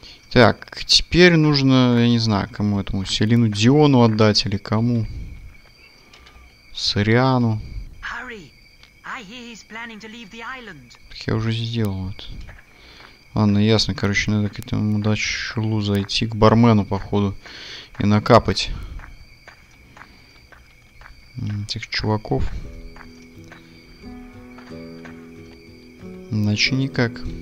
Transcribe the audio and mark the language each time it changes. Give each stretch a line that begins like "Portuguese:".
Russian: Так, теперь нужно, я не знаю, кому этому, Селину Диону отдать или кому? Сориану.
English: Hurry. I hear he's planning to leave the island.
Russian: Так я уже сделал вот. Ладно, ясно, короче, надо к этому мудачилу зайти, к бармену, походу, и накапать. Этих чуваков. Иначе никак.